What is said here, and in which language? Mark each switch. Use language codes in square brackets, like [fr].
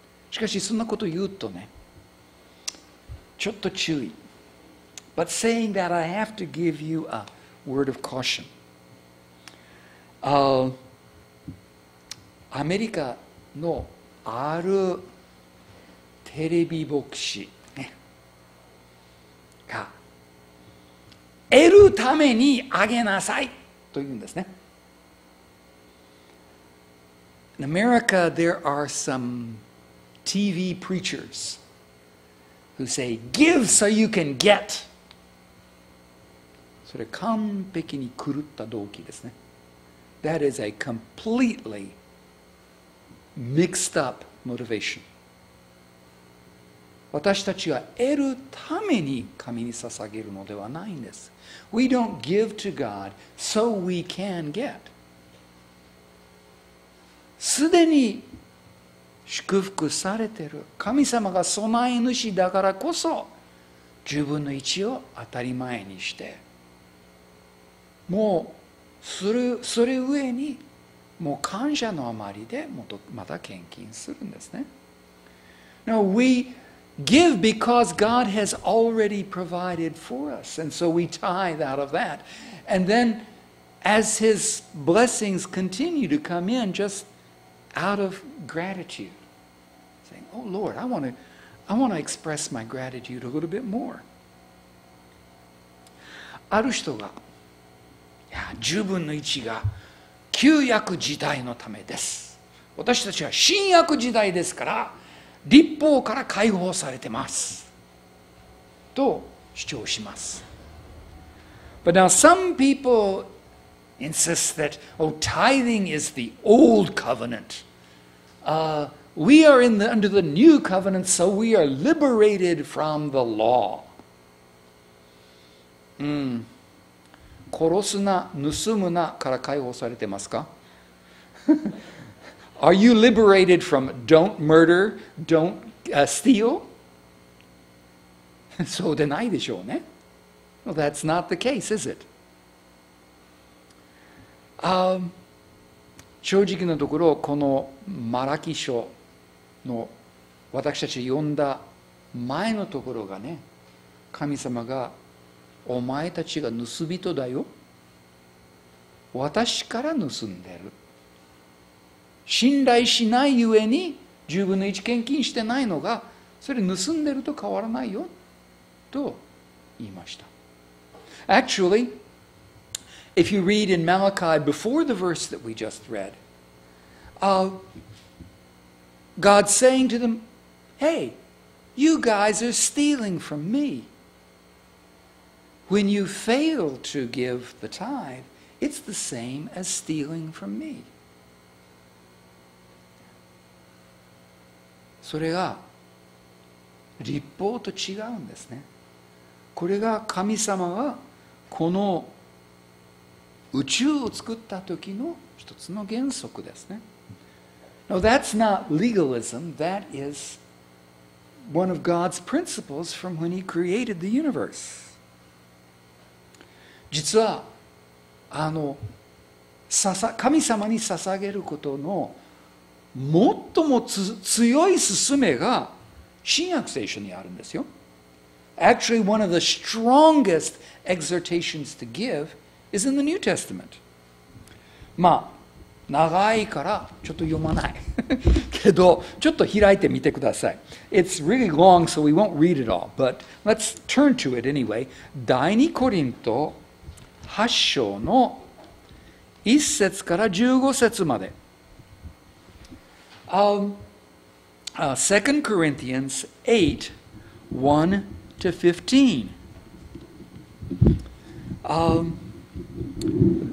[ja] しかしそんなこと言うとね、ちょっと注意。 [en] But saying that, I have to give you a word of caution. [ja] アメリカのあるテレビ牧師が得るためにあげなさいと言うんですね。 [en] In America, there are some TV preachers who say, give so you can get. [ja] それ完璧に狂った動機ですね。 [en] That is a completely mixed up motivation. [ja] 私たちは得るために神に捧げるのではないんです。 [en] We don't give to God so we can get. [ja] すでに祝福されている。神様が備え主だからこそ、十分の一を当たり前にして、もうそれ上にもう感謝のあまりでまた献金するんですね。 [en] Now we give because God has already provided for us, and so we tithe out of that. And then as His blessings continue to come in, just out of gratitude, saying, Oh Lord, I want to express my gratitude a little bit more. [ja] ある人が、いや、十分の一が旧約時代のためです。私たちは新約時代ですから、律法から解放されてます。と主張します。 [en] But now some people insist that, oh, tithing is the old covenant. We are under the new covenant, so we are liberated from the law. Mm. [ja] 殺すな、盗むなから解放されてますか [en] Are you liberated from don't murder, don't steal? [ja] そうでないでしょうね。 [en] Well, that's not the case, is it? [ja] 正直なところ、このマラキ書の私たち読んだ前のところがね、神様がお前たちが盗人だよ、私から盗んでる、信頼しないゆえに十分の一献金してないのが、それ盗んでると変わらないよと言いました。 [en] Actually, if you read in Malachi before the verse that we just read, God's saying to them, Hey, you guys are stealing from meWhen you fail to give the tithe, it's the same as stealing from me. [ja] それが律法と違うんですね。これが神様がこの宇宙を作った時の一つの原則ですね。 [en] Now that's not legalism. That is one of God's principles from when He created the universe. [ja] 実は神様に捧げることの最も強い勧めが新約聖書にあるんですよ。 [en] Actually, one of the strongest exhortations to give is in the New Testament. [ja] まあ、長いからちょっと読まない。れど、ちょっと開いてみてください。 [en] It's really long, so we won't read it all, but let's turn to it anyway. [ja] 第2コリント8章の1節から15節まで。 [en] 2 Corinthians 8, 1 to 15.